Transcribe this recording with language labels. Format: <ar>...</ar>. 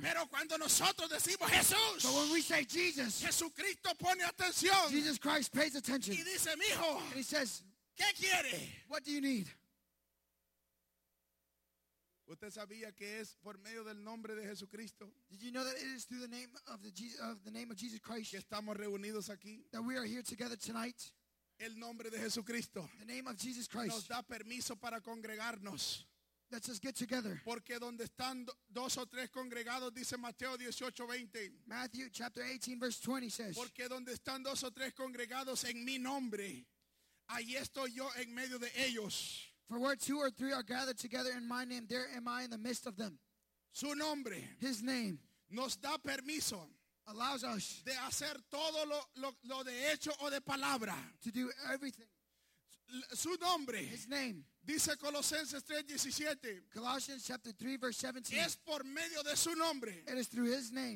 <es>Pero cuando nosotros decimos Jesús,</es> <en>but when we say Jesus,</en> <es>Jesucristo pone atención.</es> <en>Jesus Christ pays attention.</en> <es>Y dice, mijo,</es> <en>and he says,</en> <es>¿qué quiere?</es> <en>What do you need?</en> <es>¿Usted sabía que es por medio del nombre de Jesucristo?</es> <en>Did you know that it is through the name of the name of Jesus Christ</en> <es>que estamos reunidos aquí?</es> <en>That we are here together tonight.</en> <es>El nombre de Jesucristo,</es> <en>the name of Jesus Christ,</en> <es>nos da permiso para congregarnos.</es> <en>Let's just get together.</en> <es>Porque donde están dos o tres congregados, dice Mateo 18:20.</es> <en>Matthew chapter 18 verse 20 says.</en> <es>Porque donde están dos o tres congregados en mi nombre, ahí estoy yo en medio de ellos.</es> <en>For where two or three are gathered together in my name, there am I in the midst of them.</en> <es>Su nombre,</es> <en>his name,</en> <es>nos da permiso,</es> <en>allows us,</en> <es>de hacer todo lo de hecho o de palabra,</es> <en>to do everything.</en> <es>Su nombre,</es> <en>his name,</en> <es>dice Colosenses 3:17.</es> <en>Colossians chapter 3 verse 17.</en> <es>Es por medio de su nombre,</es> <en>it is through his name,</en>